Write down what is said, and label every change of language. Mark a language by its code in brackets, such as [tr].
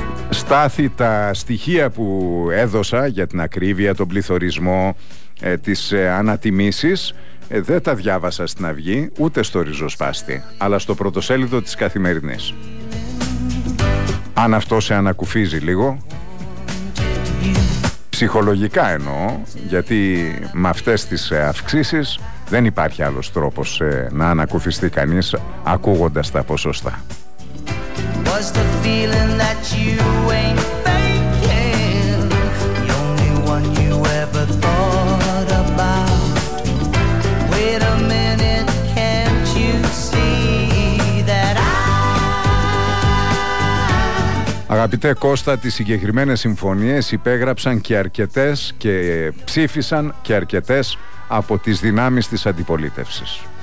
[el] Στάθη, τα στοιχεία που έδωσα για την ακρίβεια, τον πληθωρισμό, τις ανατιμήσεις, δεν τα διάβασα στην Αυγή, ούτε στο ριζοσπάστη, αλλά στο πρωτοσέλιδο της Καθημερινής. Αν αυτό σε ανακουφίζει λίγο, ψυχολογικά εννοώ, γιατί με αυτές τις αυξήσεις δεν υπάρχει άλλος τρόπος να ανακουφιστεί κανείς ακούγοντας τα ποσοστά. [en] Was the feeling that you ain't faking the only one you ever thought about? Wait a minute, can't you see that I... [el] Αγαπητέ Κώστα, τις συγκεκριμένες συμφωνίες υπέγραψαν και αρκετές και ψήφισαν και αρκετές από τις δυνάμεις της αντιπολίτευσης.